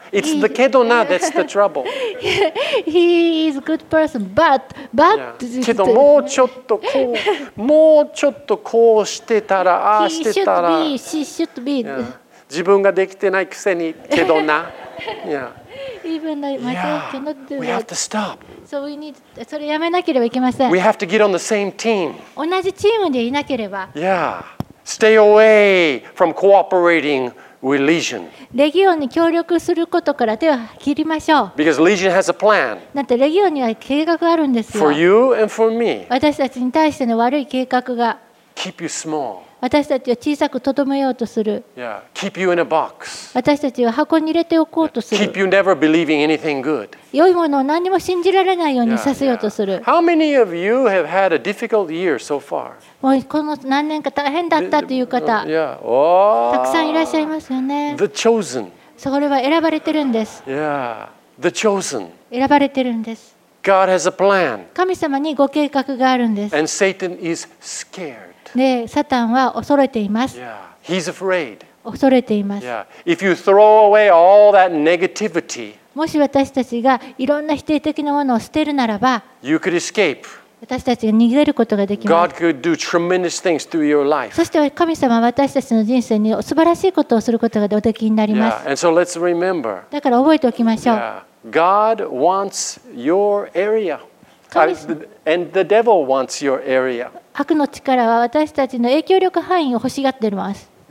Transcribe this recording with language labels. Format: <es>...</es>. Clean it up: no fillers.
<en>It's the</en> <ja>けどな</ja> <en>that's the trouble. He is a good person, but. Yeah.</en> <ja>けどもうちょっとこう、もうちょっとこうしてたら、ああしてたら。</ja> <en>He should be, she should be. Yeah.</en> <ja>自分ができてないくせにけどな。</ja> <en>Yeah. Even though myself cannot do that. We have to stop. So we need,</en> <ja>それやめなければいけません。</ja> <en>We have to get on the same team.</en> <ja>同じチームでいなければ。</ja> <en>Yeah. Stay away from cooperating with Legion.</en> <ja>レギオンに協力することから手を切りましょう。</ja> <en>Because Legion has a plan.</en> <ja>だってレギオンには計画があるんですよ。</ja> <en>For you and for me.</en> <ja>私たちに対しての悪い計画が。</ja> <en>Keep you small.</en> <ja>私たちを小さくとどめようとする。</ja> <en>Yeah. Keep you in a box.</en> <ja>私たちを箱に入れておこうとする。</ja> <en>Keep you never believing anything good.</en> <ja>良いものを何も信じられないようにさせようとする。</ja> <en>How many of you have had a difficult year so far?</en> <ja>もうこの何年か大変だったという方、たくさんいらっしゃいますよね。</ja> <en>The chosen.</en> <ja>それは選ばれてるんです。</ja> <en>Yeah. The chosen.</en> <ja>選ばれてるんです。</ja> <en>God has a plan.</en> <ja>神様にご計画があるんです。</ja> <en>And Satan is scared.</en> <ja>でサタンは恐れています。</ja> <en>Yeah. He's afraid.</en> <ja>恐れています。</ja> <en>Yeah. If you throw away all that negativity,</en> <ja>もし私たちがいろんな否定的なものを捨てるならば、</ja> <en>you could escape.</en> <ja>私たちが逃げることができます。</ja> <en>God could do tremendous things through your life.</en> <ja>そして神様は私たちの人生に素晴らしいことをすることがおできになります。</ja> <en>Yeah. And so let's remember.</en> <ja>だから覚えておきましょう。</ja> <en>Yeah. God wants your area. And the devil wants your area.</en> <ja>悪の力は私たちの影響力範囲を欲しがっています。</ja>